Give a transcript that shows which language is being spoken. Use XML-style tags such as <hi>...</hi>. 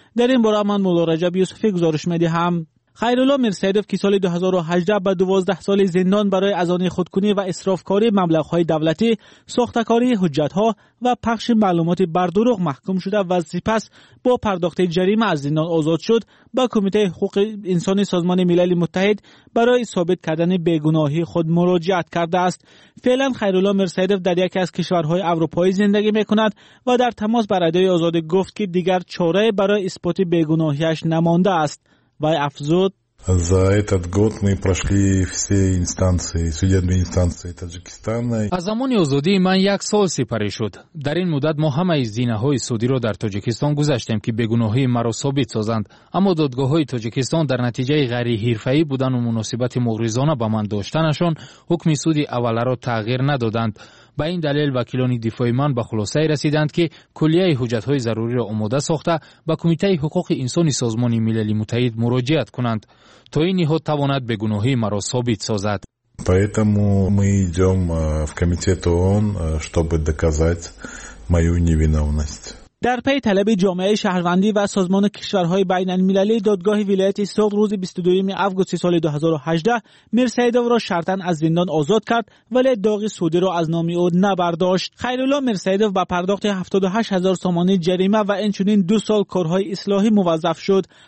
<fa>در این باره من مولا رجب یوسفی گزارش می‌دهم. خیرالله میرسعیدوف که سال 2018 به 12 سال زندان برای اذان خودکنی و اسرافکاری مبلغ‌های دولتی، ساختکاری حجت‌ها و پخش معلومات بردروغ محکوم شده و سپس با پرداخت جریمه از زندان آزاد شد، با کمیته حقوق انسان سازمان ملل متحد برای ثابت کردن بی‌گناهی خود مراجعت کرده است. فعلا خیرالله میرسعیدوف در یکی از کشورهای اروپایی زندگی می‌کند و در تماس با رادیوی آزاد گفت که دیگر چاره برای اثبات بی‌گناهی‌اش نمانده است.</fa> <tg>Вай афзуд.</tg> <ru>За этот год мы прошли все инстанции, судебные инстанции Таджикистана.</ru> <tg>А за мони озоди ман як сол сипари шуд. Дар ин муддат мо ҳамаи зинаҳои судиро дар Таҷикистон гузаштем, ки бегуноҳии маро собит созанд. Аммо додгоҳҳои Таҷикистон дар натиҷаи ғайриҳирфаӣ будану муносибати муғризона ба ман доштанашон ҳукми суди аввалро тағйир надоданд. Ба ин далел вакилони дифои ман ба хулосае расиданд, ки куллияи ҳуҷҷатҳои заруриро омода сохта, ба кумитаи ҳуқуқи инсони созмони милали муттаҳид муроҷиат кунанд, то ин ниҳод тавонад бегуноҳии маро собит созад.</tg> <ru>Поэтому мы идем в комитет ООН, чтобы доказать мою невиновность.</ru> <fa>در پی طلب جامعه شهروندی و سازمان کشورهای بین‌المللی، دادگاه ولایت استاد روز 22 آوگوست سال 2018 میرسعیدوف را شرطاً از زندان آزاد کرد، ولی داغ سودی را از نام او نبرداشت. خیرالله میرسعیدوف با پرداخت 78000 تومانی جریمه و اینچنین دو سال کارهای اصلاحی موظف شد.</fa>